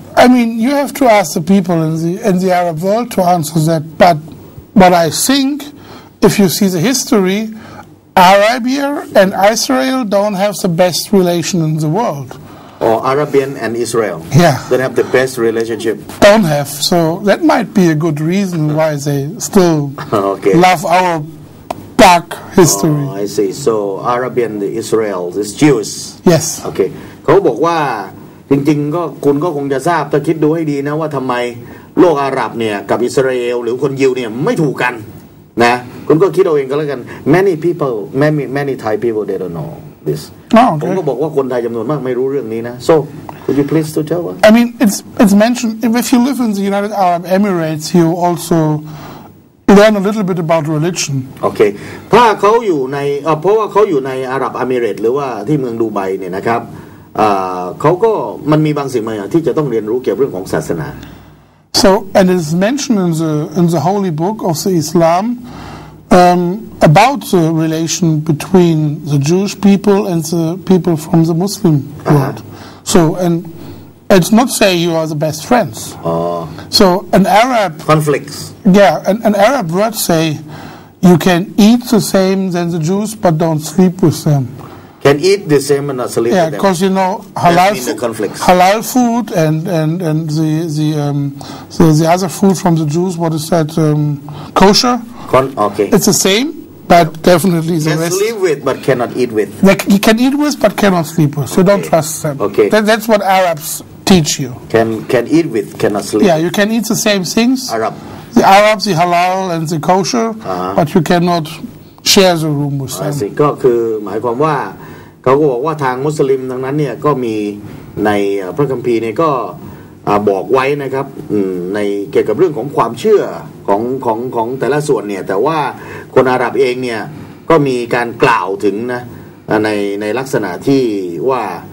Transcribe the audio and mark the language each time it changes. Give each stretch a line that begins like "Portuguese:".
English: I mean you have to ask the people in the Arab world to answer that but I think if you see the history Arabia and Israel don't have the best relation in the world or Arabian and Israel yeah don't have the best relationship don't have so that might be a good reason why they still okay. love our dark history oh, I see so Arabian the Israel is Jews yes
Thai: okay เขาบอกว่าจริงๆก็คุณก็คงจะทราบถ้าคิดดูให้ดีนะว่าทำไมโลกอาหรับเนี่ยกับอิสราเอลหรือคนยิวเนี่ยไม่ถูกกันนะคุณก็คิดเอาเองก็แล้วกัน
English: many people many Thai people they don't know this oh, okay.
Thai: ผมก็บอกว่าคนไทยจำนวนมากไม่รู้เรื่องนี้นะ
English: so could you please to tell I mean it's mentioned if you live in the United Arab Emirates you alsoLearn a little bit about religion. Okay.
Thai: ถ้าเขาอยู่ในเพราะว่าเขาอยู่ในอาหรับเอมิเรตหรือว่าที่เมืองดูไบเนี่ยนะครับเขาก็มันมีบางสิ่งบางอย่างที่จะต้องเรียนรู้เกี่ยวเรื่องของศาสนา
English: So and it's mentioned in the holy book of the Islam about the relation between the Jewish people and the people from the Muslim world. Uh-huh. So and it's not say you are the best friends. So an Arab conflicts. Yeah, an Arab word say you can eat the same than the Jews, but don't sleep with them. Can eat the same and not sleep with them. Yeah, because you know halal, halal food and the other food from the Jews. What is that? Kosher. Okay. It's the same, but definitely the rest. Can sleep with, but cannot eat with. You can eat with, but cannot sleep with. So don't trust them. Okay. That's what Arabs teach you. Can eat with, cannot sleep. Yeah, you can eat the same things. Arab. The Arabs, the halal, and the kosher, uh-huh. but you cannot share the room with them. That's it.
Thai: ก็คือหมายความว่าเขาก็บอกว่าทางมุสลิมดังนั้นเนี่ยก็มีในพระคัมภีร์เนี่ยก็บอกไว้นะครับในเกี่ยวกับเรื่องของความเชื่อของแต่ละส่วนเนี่ยแต่ว่าคนอาหรับเองเนี่ยก็มีการกล่าวถึงนะในลักษณะที่ว่า